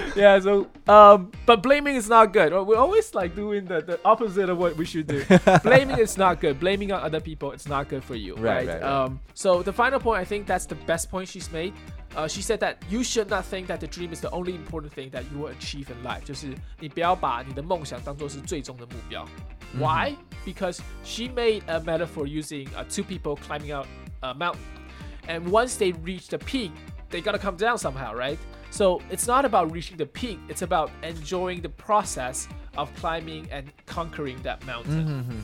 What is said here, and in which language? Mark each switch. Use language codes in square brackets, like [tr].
[en] Yeah, so, but blaming is not good. We're always like doing the opposite of what we should do. Blaming is not good. Blaming on other people, it's not good for you. Right. So the final point, I think that's the best point she's made. She said that you should not think that the dream is the only important thing that you will achieve in life. [zh] 就是你不要把你的梦想当作是最终的目标. [en] Why? Because she made a metaphor using two people climbing up a mountain. And once they reach the peak, they gotta come down somehow, right? So it's not about reaching the peak. It's about enjoying the process of climbing and conquering that mountain.